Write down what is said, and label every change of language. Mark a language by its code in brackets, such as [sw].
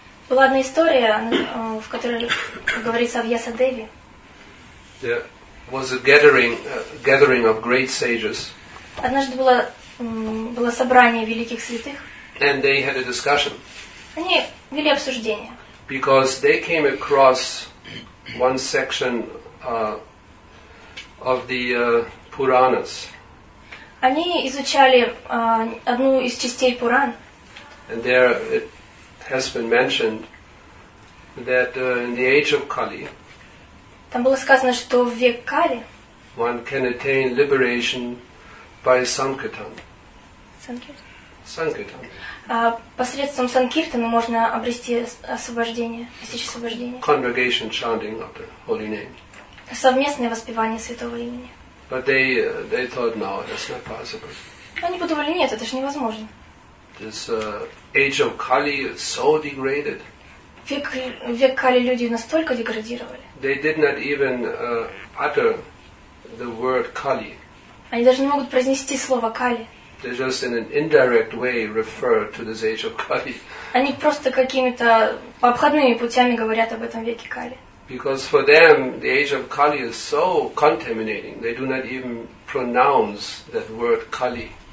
[ru] Была одна история, в которой говорится о Вьясадеве. [en] There was a gathering of great sages. [ru] Однажды было собрание великих святых. [en] And they had a discussion. [ru] Они вели обсуждение. [en] Because they came across one section of the Puranas. [ru] Они изучали одну из частей Пуран. [en] And there it has been mentioned that in the age of Kali. [ru] Там было сказано, что в век Кали. [en] one can attain liberation by sankirtan. Sankirtan. [ru] Посредством санкиртаны можно обрести освобождение, достичь освобождения. [en] Congregation chanting of the holy name. [ru] Совместное воспевание святого имени. [en] But they thought, no, that's not possible. [ru] Они подумали, нет, это же невозможно. [en] This age of Kali is so degraded. [ru] Век Кали люди настолько деградировали. [en] They did not even utter the word Kali. [ru] Они даже не могут произнести слово Кали. [en] They just in an indirect way refer to this age of Kali. [ru] Они просто какими-то обходными путями говорят об этом веке Кали. [en] Because for them the age of Kali is so contaminating, they do not even pronounce that word Kali.